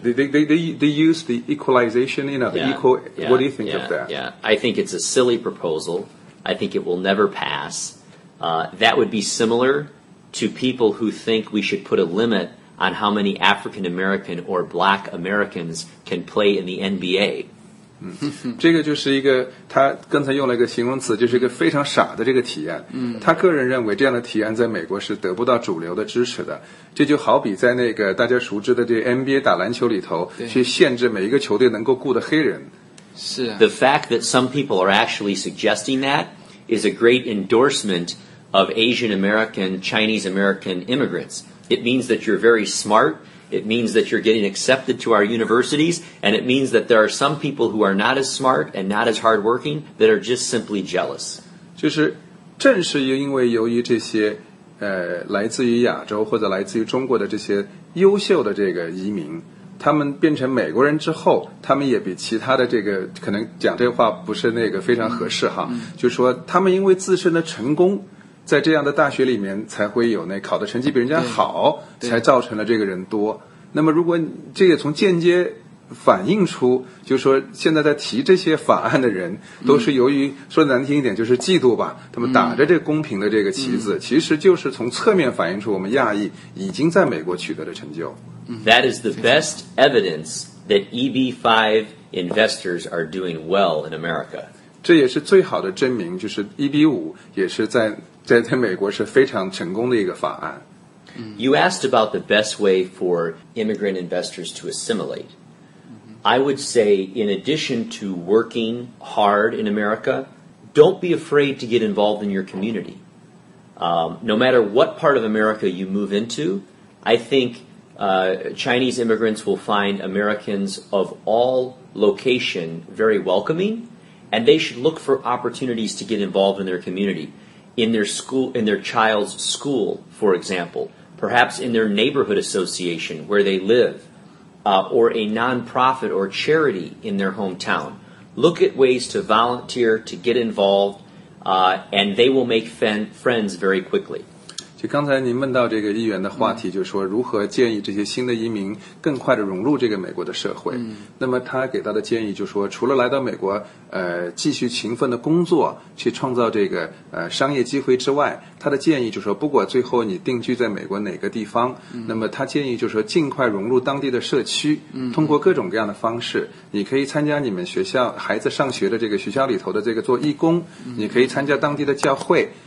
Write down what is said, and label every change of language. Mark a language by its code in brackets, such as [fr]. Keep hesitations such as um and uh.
[en] They, they, they, they use the equalization, you know, yeah, the equal. Yeah, what do you think yeah, of that? Yeah, I think it's a silly proposal. I think it will never pass. Uh, that would be similar to people who think we should put a limit on how many African American or Black Americans can play in the NBA. [zh] 嗯，这个就是一个，他刚才用了一个形容词，就是一个非常傻的这个体验。嗯，他个人认为这样的体验在美国是得不到主流的支持的。这就好比在那个大家熟知的这 NBA 打篮球里头，去限制每一个球队能够雇的黑人。是。啊。 [en] The fact that some people are actually suggesting that is a great endorsement of Asian American Chinese American immigrants. It means that you're very smart. It means that you're getting accepted to our universities, and it means that there are some people who are not as smart and not as hardworking that are just simply jealous。 [zh] 就是正是因为由于这些呃来自于亚洲或者来自于中国的这些优秀的这个移民，他们变成美国人之后，他们也比其他的这个可能讲这话不是那个非常合适哈，就说他们因为自身的成功。在这样的大学里面，才会有那考的成绩比人家好，才造成了这个人多。那么，如果这也从间接反映出，就说现在在提这些法案的人，都是由于说难听一点就是嫉妒吧。他们打着这公平的这个旗子，其实就是从侧面反映出我们亚裔已经在美国取得了成就。 [en] That is the best evidence that EB five investors are doing well in America。 [zh] 这也是最好的证明，就是 EB 五也是在。 [en] Is very successful you asked about the best way for immigrant investors to assimilate. I would say, in addition to working hard in America, don't be afraid to get involved in your community. Um, no matter what part of America you move into, I think uh, Chinese immigrants will find Americans of all location very welcoming, and they should look for opportunities to get involved in their community in their school in their child's school for example perhaps in their neighborhood association where they live uh, or a nonprofit or charity in their hometown look at ways to volunteer to get involved uh, and they will make friends very quickly [zh] 就刚才您问到这个议员的话题，就是说如何建议这些新的移民更快地融入这个美国的社会。那么他给到的建议就是说，除了来到美国，呃，继续勤奋的工作，去创造这个呃商业机会之外，他的建议就是说，不管最后你定居在美国哪个地方，那么他建议就是说，尽快融入当地的社区，通过各种各样的方式，你可以参加你们学校孩子上学的这个学校里头的这个做义工，你可以参加当地的教会。